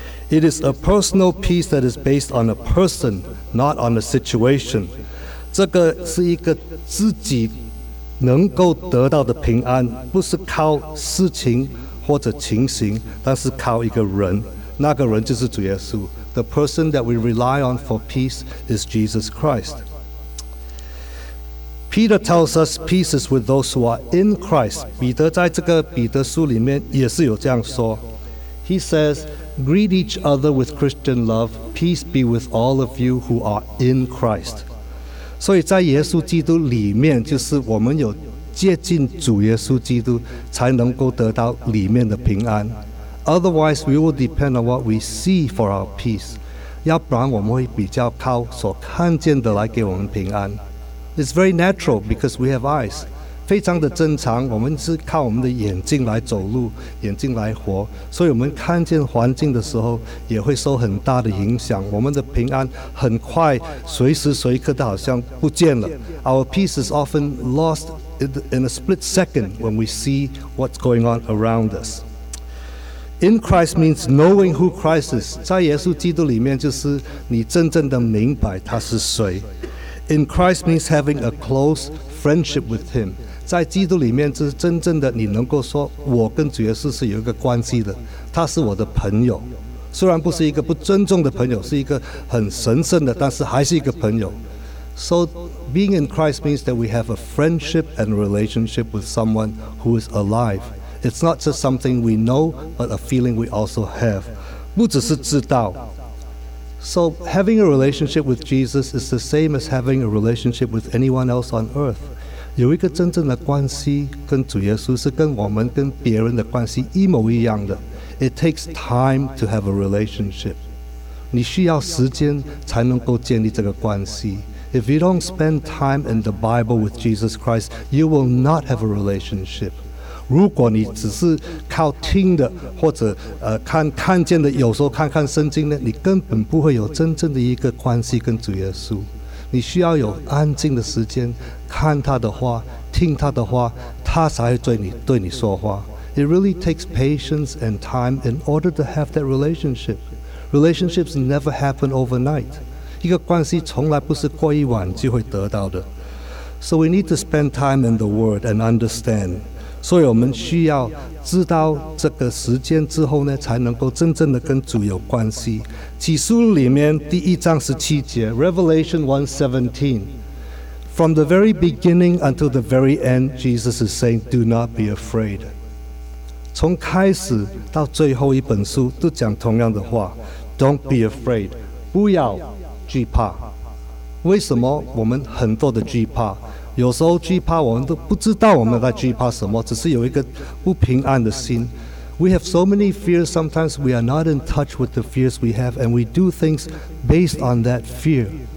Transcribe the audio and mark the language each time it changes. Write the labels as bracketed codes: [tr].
[en] It is a personal peace that is based on a person not on a situation [zh] 这个是一个自己能够得到的平安不是靠事情或者情形但是靠一个人那个人就是主耶稣 [en] The person that we rely on for peace is Jesus ChristPeter tells us peace is with those who are in Christ. [zh] 彼得在这个彼得书里面也是有这样说。 [en] He says, greet each other with Christian love. Peace be with all of you who are in Christ. [zh] 所以在耶稣基督里面就是我们有接近主耶稣基督才能够得到里面的平安。 [en] Otherwise, we will depend on what we see for our peace. [zh] 要不然我们会比较靠所看见的来给我们平安。 [en] It's very natural because we have eyes. [zh] 非常的正常，我们是靠我们的眼睛来走路，眼睛来活，所以我们看见环境的时候也会受很大的影响。我们的平安很快，随时随刻都好像不见了。 [en] Our peace is often lost in a split second when we see what's going on around us. In Christ means knowing who Christ is. [zh] 在耶稣基督里面就是你真正的明白他是谁。 [en] In Christ means having a close friendship with him. [zh] 在基督里面就是真正的你能够说我跟主耶稣是有一个关系的，他是我的朋友。虽然不是一个不尊重的朋友，是一个很神圣的，但是还是一个朋友。 [en] So being in Christ means that we have a friendship and relationship with someone who is alive. It's not just something we know, but a feeling we also have. [zh] 不只是知道。 [en] So having a relationship with Jesus is the same as having a relationship with anyone else on earth. [zh] 有一个真正的关系跟主耶稣是跟我们跟别人的关系一模一样的。 [en] It takes time to have a relationship. [zh] 你需要时间才能够建立这个关系。 [en] If you don't spend time in the Bible with Jesus Christ, you will not have a relationship. [zh] 如果你只是靠听的或者看见的，有时候看看圣经呢，你根本不会有真正的一个关系跟主耶稣。你需要有安静的时间，看他的话，听他的话，他才会对你说话。 [en] It really takes patience and time in order to have that relationship. Relationships never happen overnight. [zh] 一个关系从来不是过一晚就会得到的。 [en] So we need to spend time in the Word and understand. [zh] 所以我们需要知道这个时间之后呢，才能够真正的跟主有关系。启示录里面第一章十七节 ,Revelation 1:17. [en] From the very beginning until the very end, Jesus is saying, do not be afraid. [zh] 从开始到最后一本书都讲同样的话 [en] Don't be afraid [zh] 不要惧怕为什么我们很多的惧怕有时候惧怕我们都不知道我们在惧怕什么只是有一个不平安的心 [en] We have so many fears Sometimes we are not in touch with the fears we have And we do things based on that fear